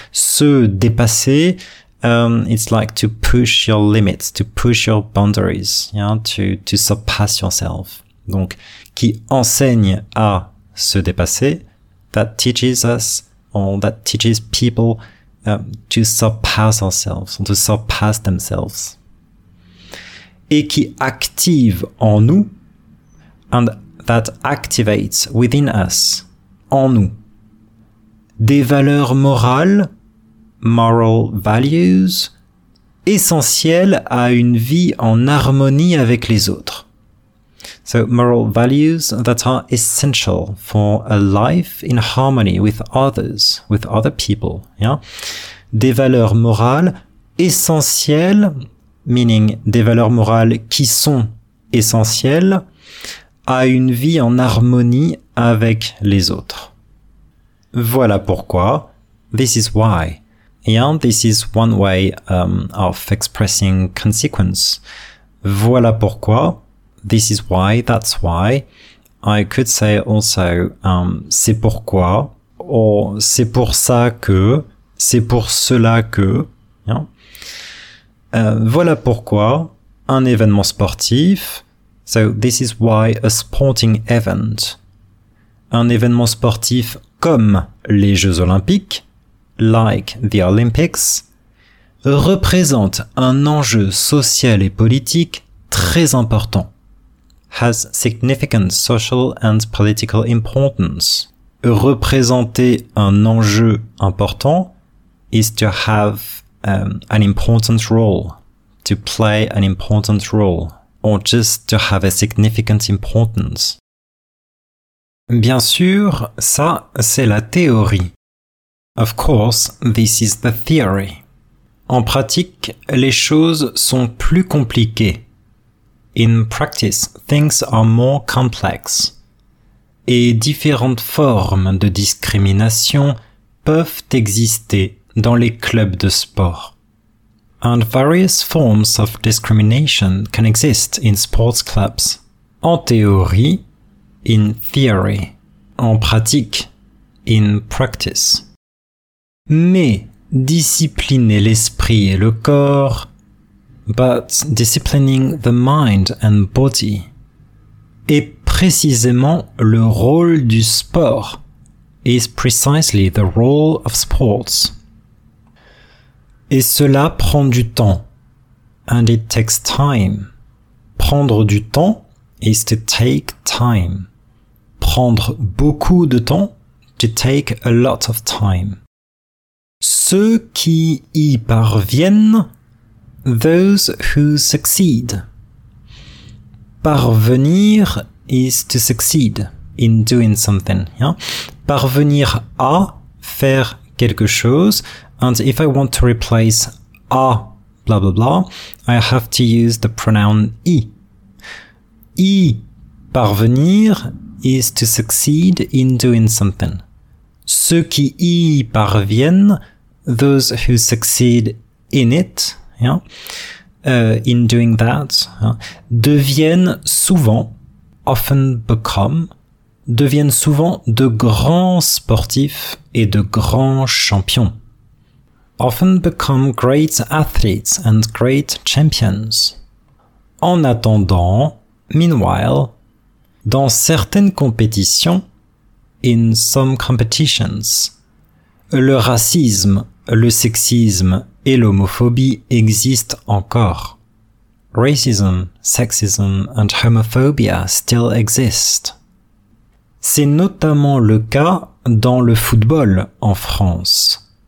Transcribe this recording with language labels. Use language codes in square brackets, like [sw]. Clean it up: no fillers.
[fr] Se dépasser, [en] it's like to push your limits, to push your boundaries, yeah? to surpass yourself. [fr] Donc, qui enseigne à se dépasser, [en] that teaches us, or that teaches people to surpass ourselves, or to surpass themselves. [fr] Et qui active en nous, [en] and that activates within us, [fr] en nous, des valeurs morales, [en] moral values, [fr] essentielles à une vie en harmonie avec les autres. [en] So, moral values that are essential for a life in harmony with others, with other people. Yeah? [fr] Des valeurs morales essentielles, meaning des valeurs morales qui sont essentielles, à une vie en harmonie avec les autres. Voilà pourquoi. [en] This is why. And this is one way of expressing consequence. [fr] Voilà pourquoi. [en] This is why, that's why. I could say also, [fr] c'est pourquoi, or c'est pour ça que, c'est pour cela que. Yeah? Voilà pourquoi un événement sportif. [en] So this is why a sporting event. [fr] un événement sportif comme les Jeux Olympiques, [en] like the Olympics, [fr] représente un enjeu social et politique très important. [en] Has significant social and political importance. [fr] Représenter un enjeu important [en] is to have an important role, to play an important role, or just to have a significant importance. [fr] Bien sûr, ça, c'est la théorie. [en] Of course, this is the theory. [fr] En pratique, les choses sont plus compliquées. [en] In practice, things are more complex. [fr] Et différentes formes de discrimination peuvent exister dans les clubs de sport. [en] And various forms of discrimination can exist in sports clubs. [fr] En théorie, [en] in theory, [fr] en pratique, [en] in practice. [fr] Mais discipliner l'esprit et le corps, [en] but disciplining the mind and body, [fr] est précisément le rôle du sport, [en] is precisely the role of sports. [fr] Et cela prend du temps. [en] And it takes time. [fr] Prendre du temps [en] is to take time. [fr] Prendre beaucoup de temps, [en] to take a lot of time. [fr] Ceux qui y parviennent, [en] those who succeed. Parvenir is to succeed in doing something. Yeah? [fr] Parvenir à faire quelque chose. [en] And if I want to replace a blah blah blah, I have to use the pronoun y. [fr] Y parvenir [en] is to succeed in doing something. [fr] Ceux qui y parviennent, [en] those who succeed in it, yeah, in doing that, [fr] deviennent souvent, [en] often become, [fr] deviennent souvent de grands sportifs et de grands champions. [en] Often become great athletes and great champions. [fr] En attendant, [en] meanwhile, [fr] dans certaines compétitions, [en] in some competitions, [fr] le racisme, le sexisme et l'homophobie existent encore. [en] Racism, sexism and homophobia still exist. [fr] C'est notamment le cas dans le football en France.